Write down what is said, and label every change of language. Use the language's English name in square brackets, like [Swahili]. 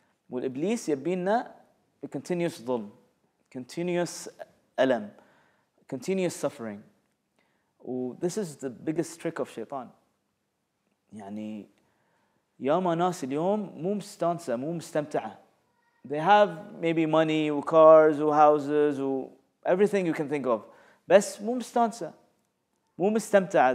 [Arabic] والإبليس يبينا continuous ظلم, continuous ألم, [English] continuous suffering. This is the biggest trick of Shaitan. [Arabic] يعني يا ما ناس اليوم مو مستانسة مو مستمتعة. [English] They have maybe money, cars, houses, everything you can think of. [Arabic] بس مو مستانسة مو مستمتعة.